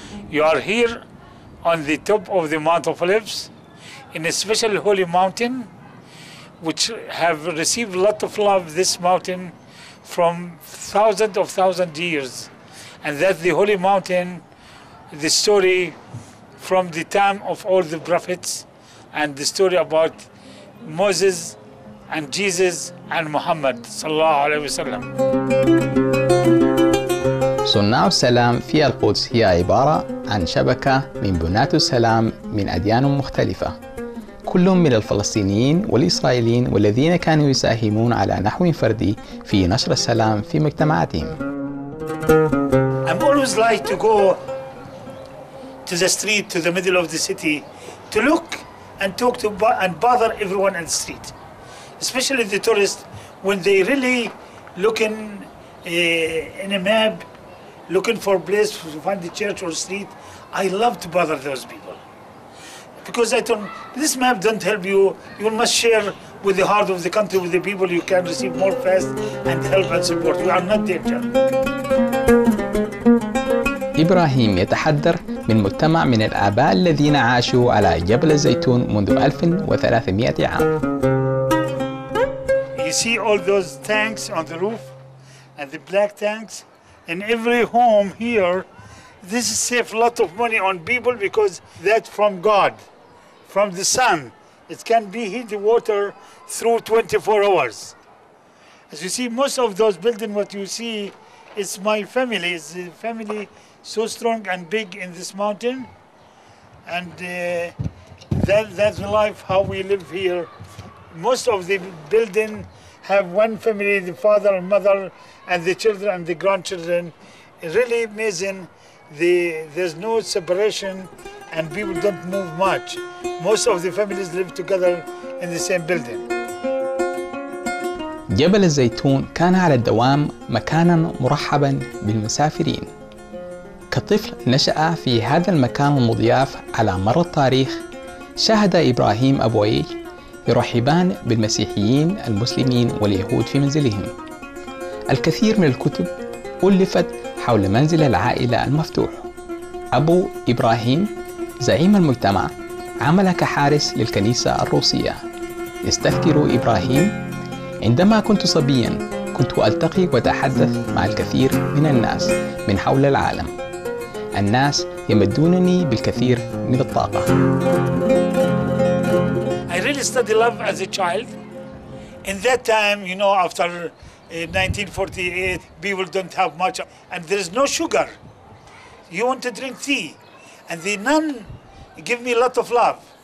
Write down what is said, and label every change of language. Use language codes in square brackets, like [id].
[en] You are here on the top of the Mount of Olives in a special holy mountain which have received a lot of love, this mountain, from thousands of thousands of years. And that's the holy mountain, the story from the time of all the prophets, and the story about Moses and Jesus and Muhammad [ar] sallallahu alaihi wasallam. [en] So now [ar] salam fi al-Quds هي عبارة عن شبكة من بنات السلام من أديان مختلفة كلهم من الفلسطينيين والإسرائيليين والذين كانوا يساهمون على نحو فردي في نشر السلام في مجتمعاتهم. [en] I'm always like to go to the street, to the middle of the city, to look and talk to and bother everyone in the street, especially the tourists, when they really looking in a map, looking for a place to find the church or street. I love to bother those people, because I don't, this map don't help you. You must share with the heart of the country, with the people, you can receive more fast and help and support. We are not danger. [ar] إبراهيم يتحدر من مجتمع من الآباء الذين عاشوا على جبل الزيتون منذ 1300 عام. [en] You see all those tanks on the roof and the black tanks in every home here. This save a lot of money on people, because that's from God, from the sun. It can be heat water through 24 hours. As you see, most of those buildings, what you see, it's my family. It's the family so strong and big in this mountain, and that's the life how we live here. Most of the building have one family, the father and mother and the children and the grandchildren. Really amazing. There's no separation and people don't move much. Most of the families live together in the same building. [ar] جبل الزيتون كان على الدوام مكانا مرحبا بالمسافرين. كطفل نشأ في هذا المكان المضياف على مر التاريخ، شاهد إبراهيم أبويه يرحبان بالمسيحيين المسلمين واليهود في منزلهم. الكثير من الكتب ألفت حول منزل العائلة المفتوح. أبو إبراهيم زعيم المجتمع عمل كحارس للكنيسة الروسية. يستذكر إبراهيم: عندما كنت صبيا كنت ألتقي وتحدث مع الكثير من الناس من حول العالم. الناس يمدونني بالكثير من الطاقة. [en] I really study love as a child. In that time, you know, after 1948, people don't have much, and there is no sugar. You want to drink tea, and the nun give me a lot of love.